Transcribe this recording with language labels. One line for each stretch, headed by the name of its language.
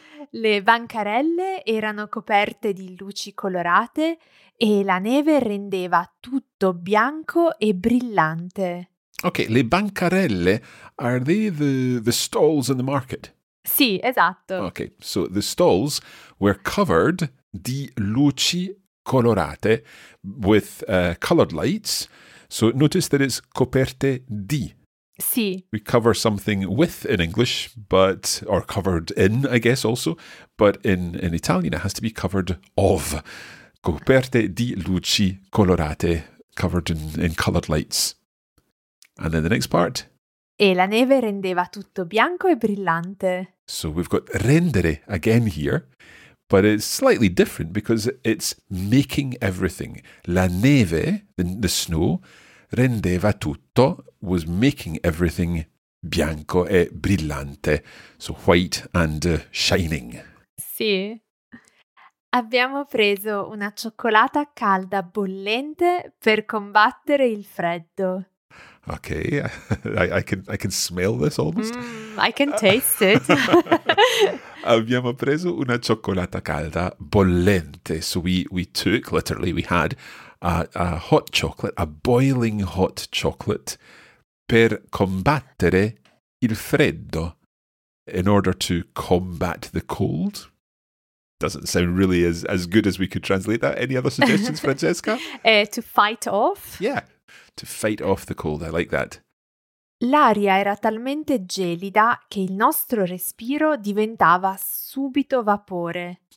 Italian: Le bancarelle erano coperte di luci colorate e la neve rendeva tutto bianco e brillante.
English: Okay,
Italian: le bancarelle,
English: are they the stalls in the market?
Italian: Sì, esatto.
English: Okay, so the stalls were covered
Italian: di luci colorate
English: with colored lights. So notice that it's
Italian: coperte di. Sì.
English: We cover something with in English, but or covered in, I guess, also. But in Italian, it has to be covered of.
Italian: Coperte di luci colorate,
English: covered in colored lights. And then the next part.
Italian: E la neve rendeva tutto bianco e brillante.
English: So we've got rendere again here, but it's slightly different because it's making everything.
Italian: La neve,
English: the snow,
Italian: rendeva tutto,
English: was making everything
Italian: bianco e brillante.
English: So white and shining.
Italian: Sì. Abbiamo preso una cioccolata calda bollente per combattere il freddo.
English: Okay, I can smell this almost. I can taste it.
Italian: Abbiamo preso una cioccolata calda bollente.
English: So we took, literally, we had a hot chocolate, a boiling hot chocolate,
Italian: per combattere il freddo,
English: in order to combat the cold. Doesn't sound really as good as we could translate that. Any other suggestions, Francesca? To fight off. Yeah. To fight off the cold, I like that.
Italian: L'aria era talmente gelida che il nostro respiro diventava subito vapore.